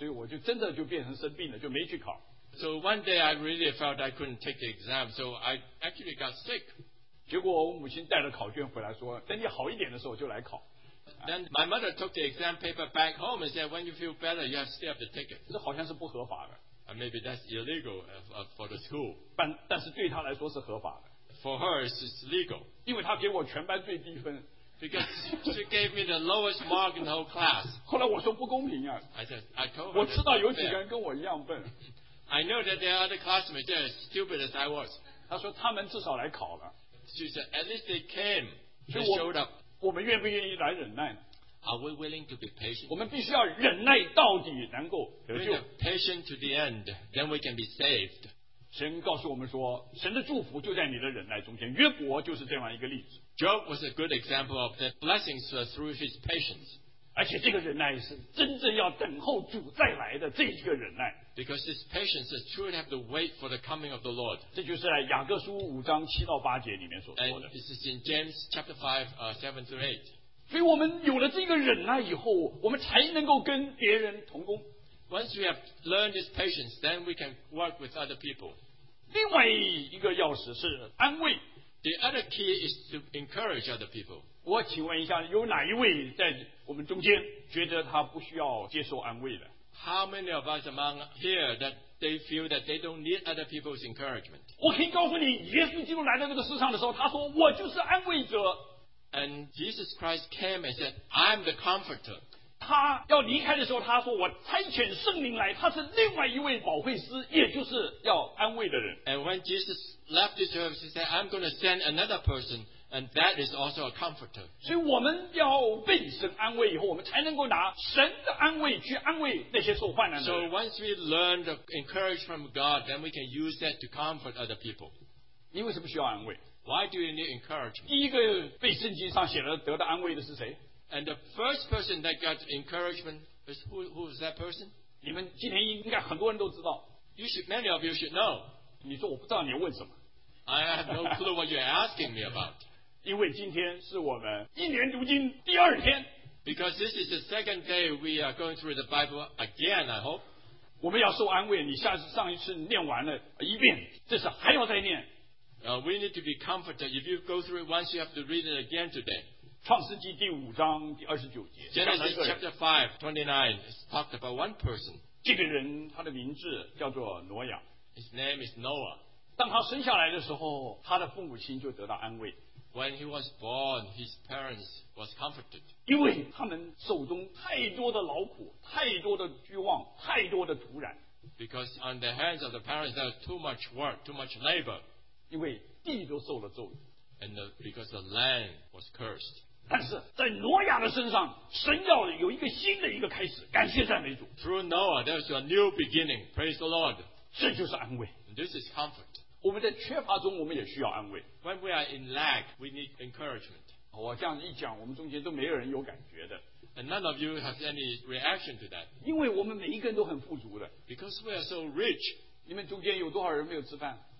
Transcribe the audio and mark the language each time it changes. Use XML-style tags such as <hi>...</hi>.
<zh>那天我觉得我没办法考了，所以我就真的就变成生病了，就没去考。</zh> <en>So one day I really felt I couldn't take the exam, so I actually got sick.</en> <zh>结果我母亲带着考卷回来说，等你好一点的时候就来考。</zh> <en>Then my mother took the exam paper back home and said, when you feel better, you have still have to take it.</en> <zh>这好像是不合法的。</zh> <en>And maybe that's illegal for the school.</en> <zh>但是对她来说是合法的。</zh> <en>For her, it's legal.</en> <zh>因为她给我全班最低分。</zh> <en>because she gave me the lowest mark in the whole class.</en> <zh>后来我说不公平啊。</zh> <en>I said, I told her.</en> <zh>我知道有几个人跟我一样笨。</zh> <en>I know that there are other classmates that are as stupid as I was.</en> <zh>她说他们至少来考了。</zh> <en>She said, at least they came. They showed up.</en> <zh>我们愿不愿意来忍耐？</zh> <en>Are we willing to be patient?</en> <zh>我们必须要忍耐到底，能够得救。</zh> <en>Patient to the end, then we can be saved.</en> <zh>神告诉我们说，神的祝福就在你的忍耐中间。约伯就是这样一个例子。</zh> <en>Job was a good example of the blessings through his patience.</en> <zh>而且这个忍耐是真正要等候主再来的这一个忍耐。</zh> <en>Because this patience is truly have to wait for the coming of the Lord.</en> <zh>这就是在雅各书五章七到八节里面所说的。</zh> <en>And this is in James chapter 5, 7 through 8.</en> <zh>所以我们有了这个忍耐以后，我们才能够跟别人同工。</zh> <en>Once we have learned this patience, then we can work with other people.</en> <zh>另外一个钥匙是安慰。</zh> <en>The other key is to encourage other people.</en> <zh>我请问一下，有哪一位在我们中间觉得他不需要接受安慰的？</zh> <en>How many of us among here that they feel that they don't need other people's encouragement?</en> <zh>我可以告诉你，耶稣基督来到这个世上的时候，他说我就是安慰者。</zh> <en>And Jesus Christ came and said, I'm the comforter.</en> <zh>他要离开的时候，他说我差遣圣灵来，他是另外一位保惠师，也就是要安慰的人。</zh> <en>And when Jesus left this earth, he said, I'm going to send another person, and that is also a comforter.</en> <zh>所以我们要被神安慰以后，我们才能够拿神的安慰去安慰那些受患难的人。</zh> <en>So once we learn to encourage from God, then we can use that to comfort other people.</en> <zh>你为什么需要安慰？</zh> <en>Why do you need encouragement?</en> <zh>第一个被圣经上写了得到安慰的是谁？</zh> <en>And the first person that got encouragement is who is that person?</en> <zh>你们今天应该很多人都知道。</zh> <en>You should, many of you should know.</en> <zh>你说我不知道你问什么。</zh> <en>I have no clue what you're asking me about.</en> <zh>因为今天是我们一年读经第二天。</zh> <en>Because this is the second day we are going through the Bible again, I hope.</en> <zh>我们要受安慰，你下次上一次念完了一遍，这次还要再念。</zh> <en>We need to be comforted. If you go through it once, you have to read it again today.</en> <zh>创世纪第五章第二十九节。</zh> <en>Genesis chapter 5:29 talked about one person.</en> <zh>这个人他的名字叫做挪亚。</zh> <en>His name is Noah.</en> <zh>当他生下来的时候，他的父母亲就得到安慰。</zh> <en>When he was born, his parents was comforted.</en> <zh>因为他们手中太多的劳苦，太多的欲望，太多的土壤。</zh> <en>Because on the hands of the parents, there was too much work, too much labor.</en> <zh>因为地都受了咒语。</zh> <en>And because the land was cursed.</en> <zh>但是在挪亚的身上，神要有一个新的一个开始，感谢赞美主。</zh> <en>Through Noah, there's a new beginning. Praise the Lord.</en> <zh>这就是安慰。</zh> <en>And this is comfort.</en> <zh>我们在缺乏中，我们也需要安慰。</zh> <en>When we are in lack, we need encouragement.</en> <zh>我这样一讲，我们中间都没有人有感觉的。</zh> <en>And none of you have any reaction to that.</en> <zh>因为我们每一个人都很富足的。</zh> <en>Because we are so rich.</en> <zh>你们中间有多少人没有吃饭？</zh>